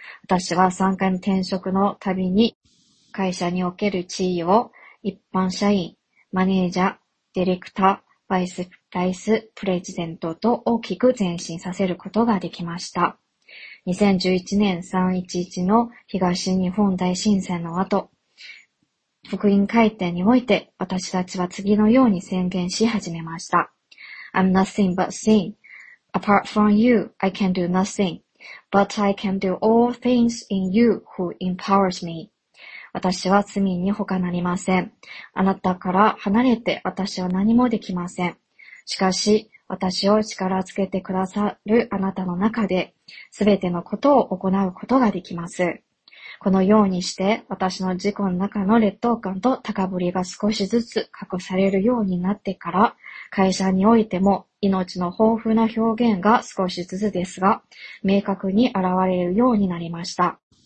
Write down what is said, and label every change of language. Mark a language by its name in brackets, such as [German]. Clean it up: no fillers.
[Japanese] 私は3回の転職の度に、会社における地位を一般社員、マネージャー、ディレクター、バイスプレジデントと大きく前進させることができました。 2011年311の東日本大震災の後、福音会展において私たちは次のように宣言し始めました。 [English] I'm nothing but sin. Apart from you, I can do nothing. But I can do all things in you who empowers me. [Japanese] 私は罪に他なりません。あなたから離れて私は何もできません。しかし、私を力つけてくださるあなたの中で、すべてのことを行うことができます。このようにして、私の自己の中の劣等感と高ぶりが少しずつ隠されるようになってから、会社においても命の豊富な表現が少しずつですが、明確に現れるようになりました。